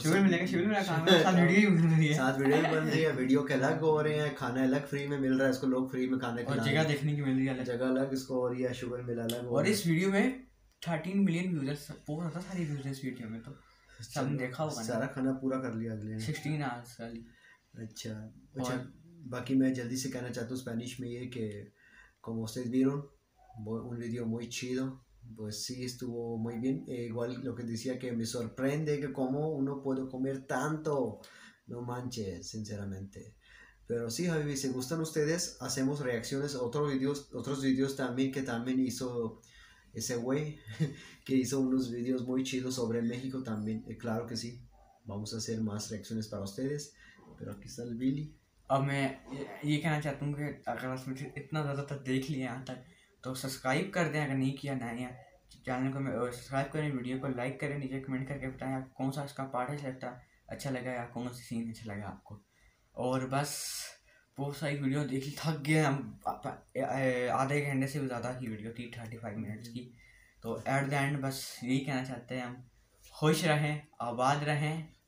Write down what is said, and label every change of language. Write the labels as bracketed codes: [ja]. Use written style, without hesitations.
[hi] शिविर मिलेगा शिविर मेरा काम है साथ वीडियो भी बन रही है साथ वीडियो बन रही है वीडियो के अलग हो रहे हैं खाना अलग फ्री में मिल रहा है इसको लोग फ्री में खाने और जगह देखने की मिल रही है जगह अलग इसको और यह शुगर मिला अलग और इस वीडियो में 13 मिलियन व्यूजर्स बहुत ज़्यादा सारी व्यूजर्स इस वीडियो में तो सब देखा होगा सारा खाना पूरा कर लिया अगले 16 आवर्स वाली अच्छा अच्छा बाकी मैं जल्दी से कहना चाहता हूँ स्पेनिश में ये कि [es] como ustedes vieron un video muy chido pues sí estuvo muy bien igual lo que decía que me sorprende que cómo uno puede comer tanto no manches sinceramente pero sí Javi si gustan ustedes hacemos reacciones otros videos también que también hizo ese güey que hizo unos videos muy chidos sobre México también claro que sí vamos a hacer más reacciones para ustedes pero aquí está el Billy [hi] अब मैं ये कहना चाहता हूँ कि अगर आपने इतना ज़्यादा तक देख लिया यहाँ तक तो सब्सक्राइब कर दें अगर नहीं किया ना यहाँ चैनल को मैं सब्सक्राइब करें वीडियो को लाइक करें नीचे कमेंट करके बताएं आपको कौन सा इसका पार्ट अच्छा लगता अच्छा लगा या कौन सा सीन अच्छा लगा आपको और बस बहुत सारी वीडियो देख ली थक गए हम आधे घंटे से भी ज़्यादा की वीडियो थी 35 मिनट्स की तो [en] at the end [hi] बस यही कहना चाहते हैं हम खुश रहें आबाद रहें